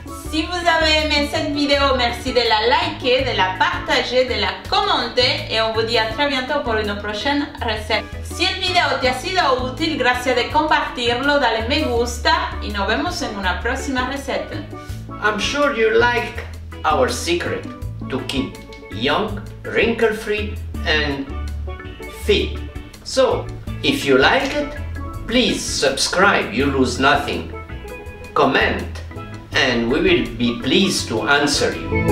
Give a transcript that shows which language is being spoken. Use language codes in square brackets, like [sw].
[fr] Si vous avez aimé cette vidéo, merci de la liker, de la partager, de la commenter et on vous dit à très bientôt pour une prochaine recette. [es] Si el video te ha sido útil, gracias de compartirlo, dale me gusta y nos vemos en una próxima receta. [en] I'm sure you like our secret to keep young, wrinkle-free and fit. So, if you like it, please subscribe, you lose nothing. Comment and we will be pleased to answer you.